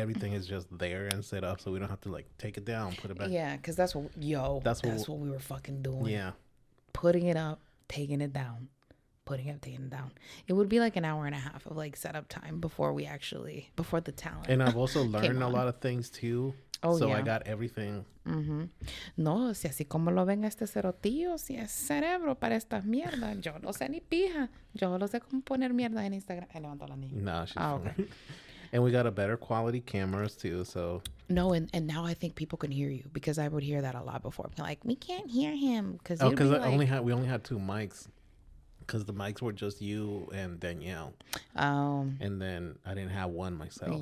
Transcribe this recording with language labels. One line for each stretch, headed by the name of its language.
English: Everything is just there and set up, so we don't have to like take it down, put it back. Yeah, because that's what we were fucking doing. Yeah, putting it up, taking it down, putting it up, taking it down. It would be like an hour and a half of like setup time before the talent. And I've also learned a lot of things too. Oh, so yeah. I got everything. Mm-hmm.
Spanish: No, si así como lo ven este cerotillo, si es cerebro para estas mierdas, yo no sé ni pija. Yo no sé cómo poner mierda en Instagram. Ay, levanto la niña.
English: No, she's fine. Okay. And we got a better quality cameras too, so. No, and now I think people can hear you because I would hear that a lot before. I'm like, we can't hear him. Cause oh, because we only had two mics. Because the mics were just you and Danielle. And then I didn't have one myself.